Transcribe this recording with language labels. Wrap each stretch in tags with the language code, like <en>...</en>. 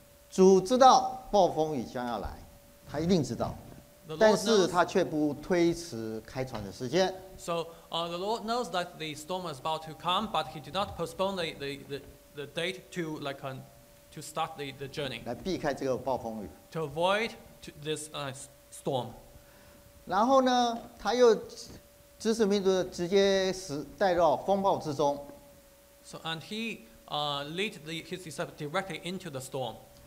<zh>主知道暴风雨将要来，他一定知道，但是他却不推迟开船的时间。</zh> <en>So the Lord knows that the storm is about to come, but he did not postpone the date to like to start the journey.</en> <zh>来避开这个暴风雨。</zh> <en>To avoid this storm.</en> <zh>然后呢，他又指使民族直接带到风暴之中。</zh> <en>So and he lead his disciples directly into the storm.</en>